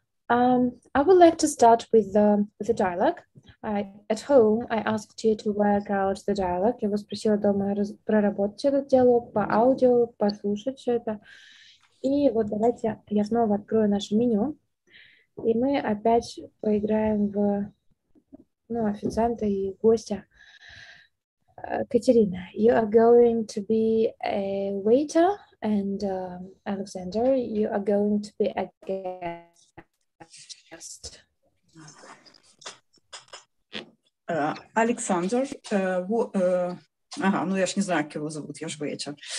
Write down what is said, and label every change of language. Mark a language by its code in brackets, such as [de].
[en] I would like to start with the dialogue. At home, I asked you to work out the dialogue. [ru] Я вас просила дома проработать этот диалог по аудио, послушать все это. И вот давайте я снова открою наше меню. И мы опять поиграем в ну, официанта и гостя. [en] Катерина, you are going to be a waiter, and Alexander, you are going to be a guest. [ru] Александр, ну я ж не знаю, как его зовут, я ж вечер.